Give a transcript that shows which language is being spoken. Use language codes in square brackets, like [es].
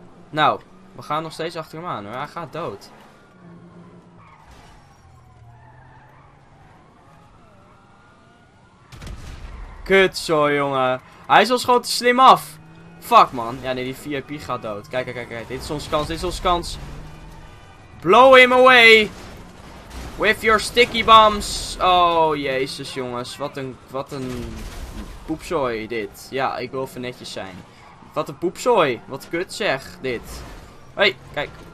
[nl] Nou, we gaan nog steeds achter hem aan. Hoor. Hij gaat dood. Kut zo, jongen. Hij is ons gewoon te slim af. Fuck, man. Ja, nee, die VIP gaat dood. Kijk. Dit is onze kans, [en] Blow him away. With your sticky bombs. [nl] Oh, jezus, jongens. Wat een poepzooi dit. Ja, ik wil even netjes zijn. Wat een poepzooi. Wat kut zeg, dit. Hé, hey, kijk.